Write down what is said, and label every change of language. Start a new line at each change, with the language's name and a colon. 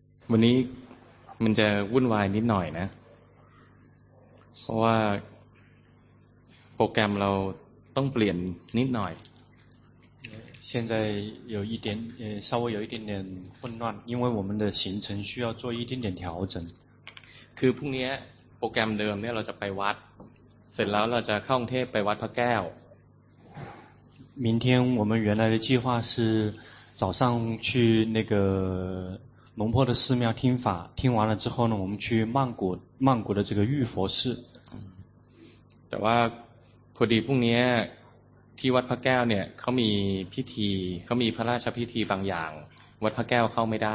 Thai: วันนี้มันจะวุ่นวายนิดหน่อยนะเพราะว่าโปรแกรมเราต้องเปลี่ยนนิดหน่อย
Chinese: 现在有一点稍微有一点点混乱因为我们的行程需要做一点点调整
Thai: คือพรุ่งนี้โปรแกรมเดิมเนี่ยเราจะไปวัดเสร็จแล้วเราจะเข้ากรุงเทพไปวัดพระแก้ว
Chinese: 明天我们原来的计划是早上去那个龙坡的寺庙听法听完了之后呢我们去曼谷的这个玉佛寺
Thai: แต่ว่าพอดีพรุ่งนี้ที่วัดพระแก้วเนี่ยเขามีพิธีเขามีพระราชพิธีบางอย่างวัดพระแก้วเข้าไม่ได